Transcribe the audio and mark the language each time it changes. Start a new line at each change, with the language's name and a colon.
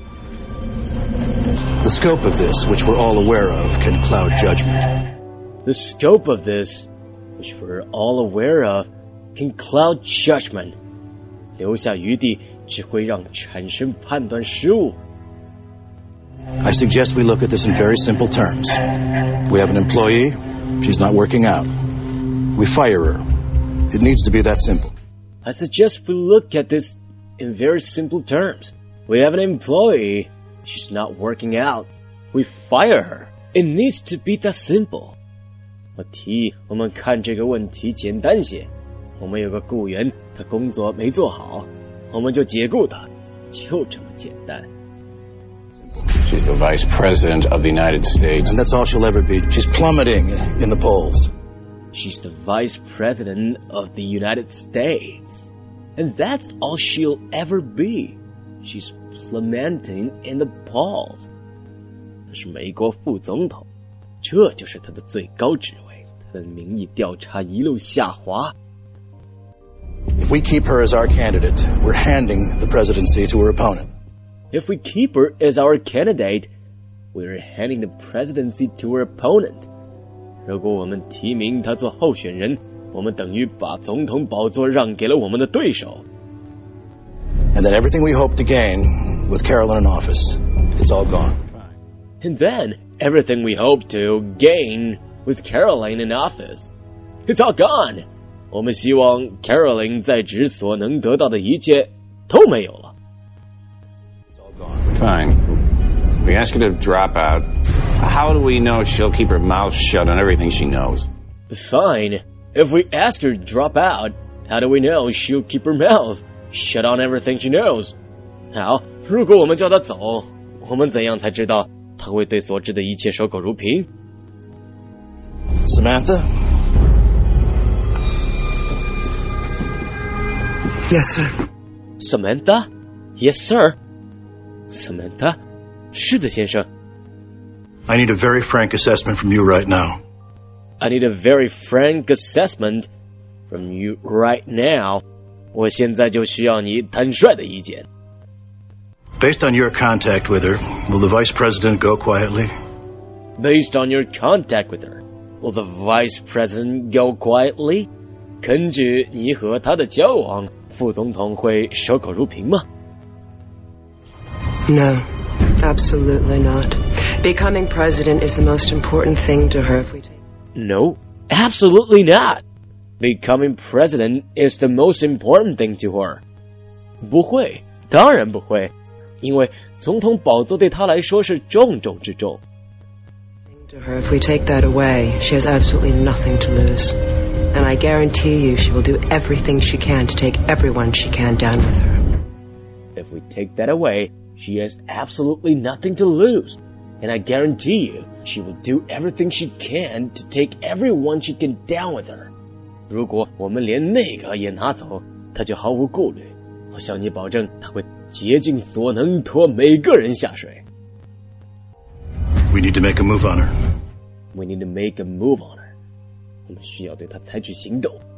English: The scope of this, which we're all aware of, can cloud judgment. The scope of this, which we're all aware of, can cloud judgment.
Chinese: 留下余地只会让产生判断失误。
English: I suggest we look at this in very simple terms. We have an employee. She's not working out. We fire her. It needs to be that simple. I suggest we look at this in very simple terms. We have an employee. She's not working out. We fire her. It needs to be that simple.
Chinese: 我提议我们看这个问题简单些。我们有个雇员，他工作没做好，我们就解雇他，就这么简单。
English: She's the Vice President of the United States. And that's all she'll ever be. She's plummeting in the polls. She's the Vice President of the United States. And that's all she'll ever be. She's... Lamenting in the polls.
Chinese: 他是美国副总统，这就是他的最高职位。他的民意调查一路下滑。
English: If we keep her as our candidate, we're handing the presidency to her opponent. If we keep her as our candidate, we're handing the presidency to her opponent.
Chinese: 如果我们提名他做候选人，我们等于把总统宝座让给了我们的对手。
English: And then everything we hope to gain with Carolyn in office, it's all gone. And then everything we hope to gain with Carolyn in office, it's all gone.
Chinese: 我们希望 Carolyn 在职所能得到的一切都没有了。
English: It's all gone. Fine. We ask her to drop out. How do we know she'll keep her mouth shut on everything she knows? Fine. If we ask her to drop out, how do we know she'll keep her mouth? Shut on everything she knows.
Chinese: 好，如果我们叫他走，我们怎样才知道他会对所知的一切守口如瓶？
English: Samantha? Yes, sir. Samantha? Yes, sir. Samantha?
Chinese: 是的，先生。
English: I need a very frank assessment from you right now. I need a very frank assessment from you right now.
Chinese: 我现在就需要你坦率的意见。
English: Based on your contact with her, will the vice president go quietly? Based on your contact with her, will the vice president go quietly?
Chinese: 根据你和他的交往，副总统会守口如瓶吗？
English: No, absolutely not. Becoming president is the most important thing to her if we take... No, Absolutely not. Becoming president is the most important thing to her.
Chinese: 不会，当然不会，因为总统宝座对她来说是重中之重。
English: To her, if we take that away, she has absolutely nothing to lose. And I guarantee you she will do everything she can to take everyone she can down with her. If we take that away, she has absolutely nothing to lose. And I guarantee you she will do everything she can to take everyone she can down with her.
Chinese: 如果我们连那个也拿走，她就毫无顾虑。我向你保证，她会竭尽所能拖每个人下水。
English: We need to make a move on her. We need to make a move on her.
Chinese: 我们需要对她采取行动。